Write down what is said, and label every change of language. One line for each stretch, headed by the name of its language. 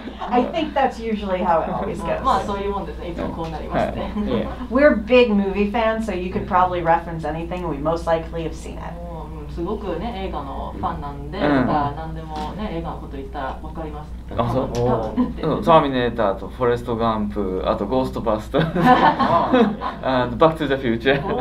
English: I think that's usually how it always goes.
Japanese: まあそういうもんですね。いつもこうなりますね。
English: We're big movie fans, so you could probably reference anything. We most likely have seen it.
Japanese: すごくね映画のファンなんで、うん、何でもね映画のこと言ったらわかります。あ、そう、ターミネーターとフォレストガンプ、あとゴーストバスターバックトゥザフューチャー。